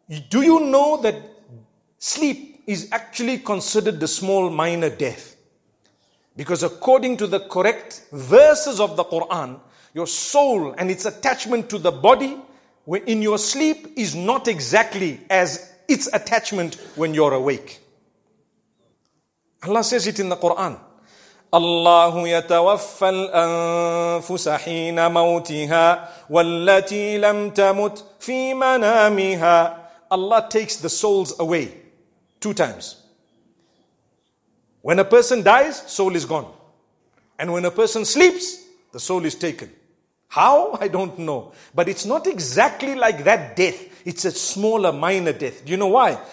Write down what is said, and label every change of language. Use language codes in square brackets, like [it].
[en] Do you know that sleep is actually considered the small minor death? Because according to the correct verses of the Quran, your soul and its attachment to the body in your sleep is not exactly as its attachment when you're awake. Allah says it in the Quran. [ar] الله يتوفى الأنفس حين موتها والتي لم تمت في منامها. [en] Allah takes the souls away two times. When a person dies, soul is gone. And when a person sleeps, the soul is taken. How? I don't know. But it's not exactly like that death. It's a smaller, minor death. Do you know why?